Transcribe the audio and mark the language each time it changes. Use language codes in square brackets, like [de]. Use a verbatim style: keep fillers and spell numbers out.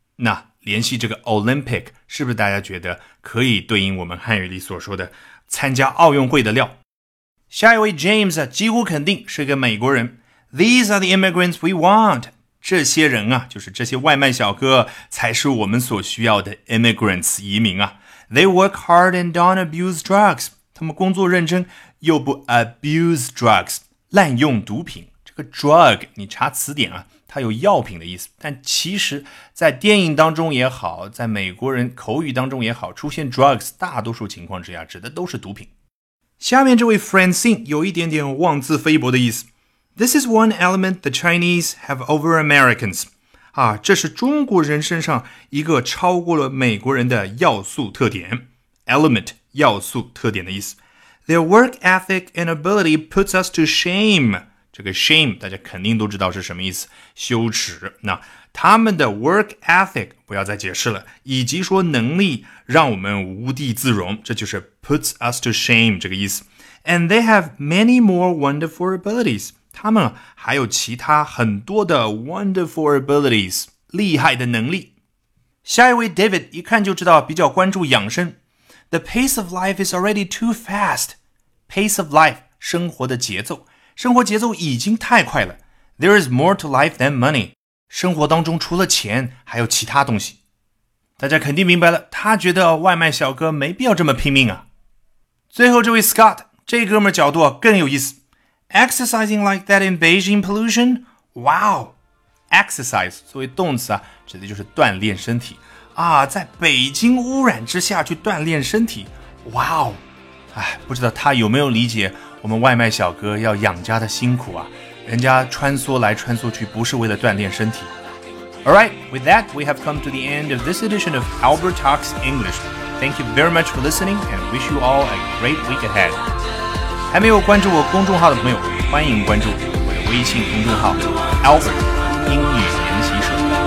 [zh] 那联系这个 Olympic， 是不是大家觉得可以对应我们汉语里所说的参加奥运会的料。下一位 James 啊，几乎肯定是个美国人。 [en] These are the immigrants we want， [zh] 这些人啊就是这些外卖小哥才是我们所需要的 immigrants 移民啊。 [en] They work hard and don't abuse drugs， [zh] 他们工作认真又不 [en] abuse drugs [zh] 滥用毒品。这个 drug 你查词典啊，它有药品的意思，但其实在电影当中也好，在美国人口语当中也好，出现 drugs 大多数情况之下指的都是毒品。下面这位 Francine 有一点点妄自菲薄的意思。 [en] This is one element the Chinese have over Americans， 啊， [zh] 这是中国人身上一个超过了美国人的要素特点。 element 要素特点的意思。 [en] Their work ethic and ability puts us to shame， [zh] 这个 shame 大家肯定都知道是什么意思，羞耻。那他们的 work ethic 不要再解释了，以及说能力让我们无地自容，这就是 [en] puts us to shame [zh] 这个意思。 [en] And they have many more wonderful abilities， [zh] 他们还有其他很多的 [en] wonderful abilities [zh] 厉害的能力。下一位 David 一看就知道比较关注养生。 [en] The pace of life is already too fast. Pace of life， [zh] 生活的节奏，生活节奏已经太快了。 [en] There is more to life than money. [zh] 生活当中除了钱，还有其他东西。大家肯定明白了，他觉得外卖小哥没必要这么拼命啊。最后这位 Scott， 这哥们角度更有意思。 [en] Exercising like that in Beijing pollution? Wow. [zh] Exercise 作为动词啊，指的就是锻炼身体。啊，在北京污染之下去锻炼身体，哇哦！哎，不知道他有没有理解我们外卖小哥要养家的辛苦啊？人家穿梭来穿梭去不是为了锻炼身体。 [en] All right, with that, we have come to the end of this edition of Albert Talks English. Thank you very much for listening, and wish you all a great week ahead. [zh] 还没有关注我公众号的朋友，欢迎关注我的微信公众号 Albert 英语研习所。